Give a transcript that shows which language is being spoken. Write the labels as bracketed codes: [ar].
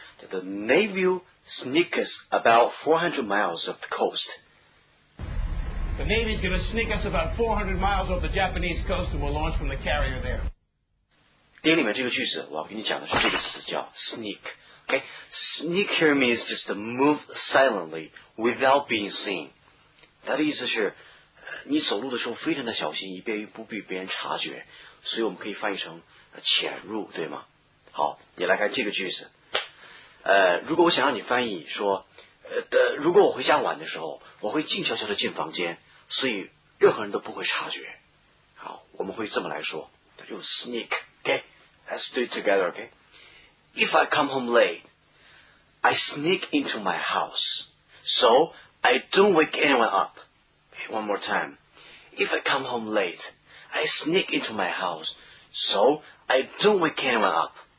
[en] The Navy sneaks about 400 miles off the coast. The Navy's going to sneak us about 400 miles off the Japanese coast and we'll launch from the carrier there. [zh] 电影里面这个句子，我要跟你讲的是这个词叫 sneak. [en] Okay? Sneak here means just to move silently without being seen. [zh] 他的意思是你走路的时候非常的小心，以便于不被别人察觉，所以我们可以翻译成潜入，对吗？好，你来看这个句子。如果我想让你翻译说如果我回家晚的时候，我会静悄悄的进房间，所以任何人都不会察觉。好，我们会这么来说，用 sneak, okay? [en] Let's do it together, okay? If I come home late, I sneak into my house. So,I don't wake anyone up. Okay, one more time. If I come home late, I sneak into my house. So, I don't wake anyone up.